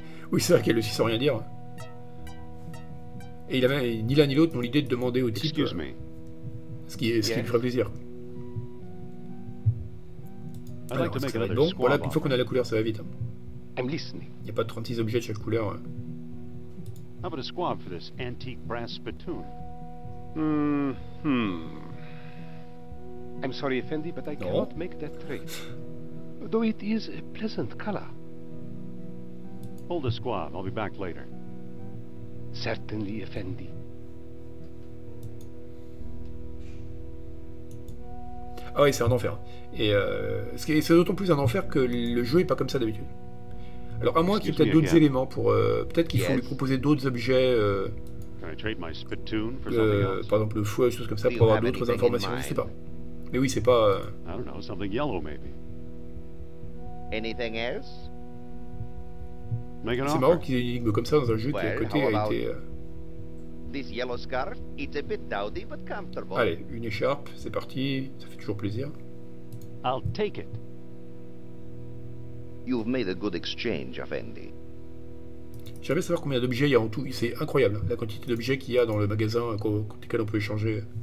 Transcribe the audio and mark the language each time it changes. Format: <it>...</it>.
<fr>Oui, c'est vrai qu'elle aussi sans rien dire. Et il avait ni l'un ni l'autre n'ont l'idée de demander au type.</fr> <en>Excuse me.</en> <fr>Ce qui lui ferait plaisir.</fr> <en>I'd like to make another</en> <fr>bon, voilà, une fois qu'on a la couleur, ça va vite.</fr> <en>I'm listening.</en> <fr>Il n'y a pas 36 objets de chaque couleur.</fr> <en>How about a squab for this antique brass spittoon? I'm sorry, Effendi, but I cannot make that trade. Though it is a pleasant color. Hold the squad. I'll be back later. Certainly, Effendi.</en> <fr>Ah oui, c'est un enfer. Et c'est d'autant plus un enfer que le jeu n'est pas comme ça d'habitude. Alors, à moins qu'il y ait peut-être d'autres éléments pour. Peut-être qu'il faut lui proposer d'autres objets. Par exemple, le fouet, choses comme ça, pour avoir d'autres informations. Je ne sais pas. Mais oui, c'est pas.</fr> <en>I don't know, something yellow, maybe. Anything else?</en> <fr>C'est marrant qu'il y ait une énigme comme ça dans un jeu qui, à côté, a été.</fr> <en>This yellow scarf, it's a bit dowdy but comfortable.</en> <fr>Allez, une écharpe, c'est parti, ça fait toujours plaisir.</fr> <en>I'll take it. You've made a good exchange, Effendi.</en> <fr>J'aimerais savoir combien d'objets il y a en tout. C'est incroyable la quantité d'objets qu'il y a dans le magasin avec lesquels on peut échanger.</fr>